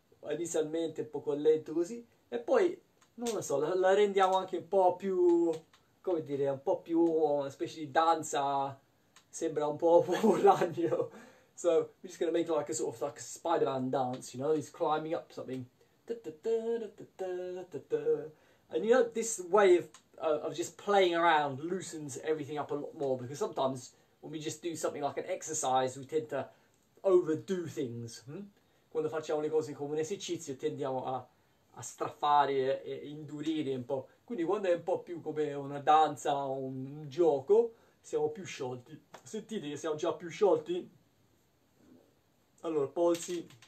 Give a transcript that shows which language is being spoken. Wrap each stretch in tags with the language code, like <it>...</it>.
<it>Inizialmente un po' lento così. E poi, non lo so, la rendiamo anche un po' più, come dire, un po' più una specie di danza. Sembra un po' un ragno.</it> <en>So, we're just gonna make like a sort of like a Spider-Man dance, you know, he's climbing up something. And you know, this way of just playing around loosens everything up a lot more because sometimes when we just do something like an exercise, we tend to overdo things.</en> <it>Quando facciamo le cose come un esercizio, tendiamo a strafare e indurire un po'. Quindi, quando è un po' più come una danza o un gioco, siamo più sciolti. Sentite che siamo già più sciolti? Allora, polsi.</it>